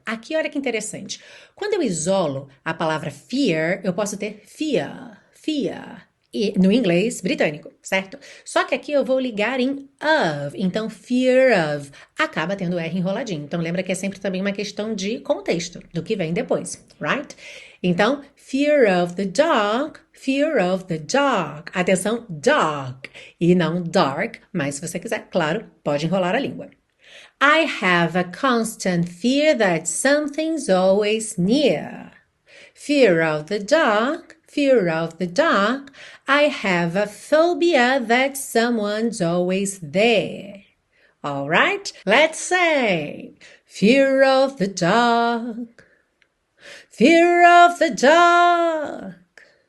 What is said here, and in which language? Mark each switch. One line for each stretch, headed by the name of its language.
Portuguese: Aqui olha que interessante, quando eu isolo a palavra fear, eu posso ter fear, fear. E no inglês britânico, certo? Só que aqui eu vou ligar em of, então fear of, acaba tendo R enroladinho. Então lembra que é sempre também uma questão de contexto, do que vem depois, right?
English: Então, fear of the dark, fear of the dark.
Portuguese: Atenção, dark, e não dark, mas se você quiser, claro, pode enrolar a língua.
English: I have a constant fear that something's always near. Fear of the dark. Fear of the dark, I have a phobia that someone's always there. All right, let's say, fear of the dark, fear of the dark.